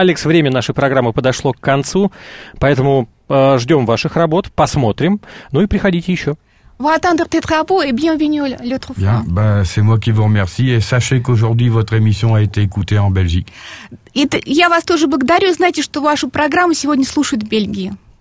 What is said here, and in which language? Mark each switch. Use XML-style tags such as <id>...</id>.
<ru>Алекс. Время нашей программы подошло к концу, поэтому ждем ваших работ, посмотрим. Ну и приходите еще.</ru> <fr>Vous attendez tes travaux et bienvenue l'autre fois. Bien, ben, c'est moi qui vous remercie et sachez qu'aujourd'hui votre émission a été écoutée en Belgique.</fr> <ru>Et я вас тоже благодарю, знаете, что вашу программу сегодня слушают в Бельгии.</ru>